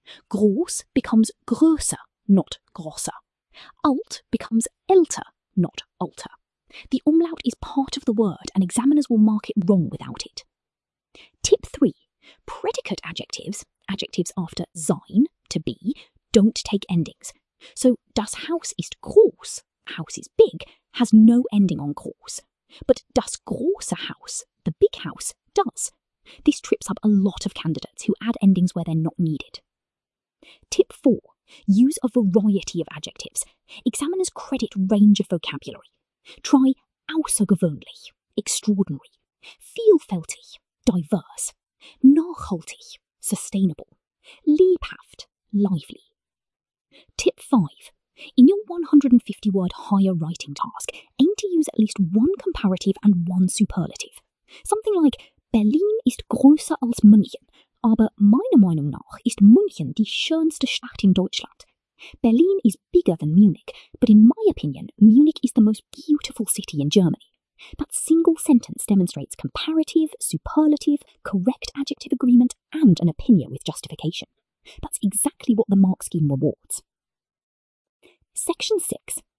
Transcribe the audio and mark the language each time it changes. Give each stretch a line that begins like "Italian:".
English: Groß becomes größer, not grosser. Alt becomes älter, not alter. The umlaut is part of the word and examiners will mark it wrong without it. Tip 3. Predicate adjectives, adjectives after sein, to be, don't take endings. So
German: das Haus ist groß,
English: house is big, has no ending on groß. But
German: das große Haus,
English: the big house, does. This trips up a lot of candidates who add endings where they're not needed. Tip 4. Use a variety of adjectives. Examiners credit range of vocabulary. Try außergewöhnlich, extraordinary. Vielfältig, diverse. Nachhaltig, sustainable. Lebhaft, lively. Tip 5. In your 150-word higher writing task, aim to use at least one comparative and one superlative. Something like,
German: Berlin ist größer als München, aber meiner Meinung nach ist München die schönste Stadt in Deutschland.
English: Berlin is bigger than Munich, but in my opinion, Munich is the most beautiful city in Germany. That single sentence demonstrates comparative, superlative, correct adjective agreement, and an opinion with justification. That's exactly what the mark scheme rewards. Section 6.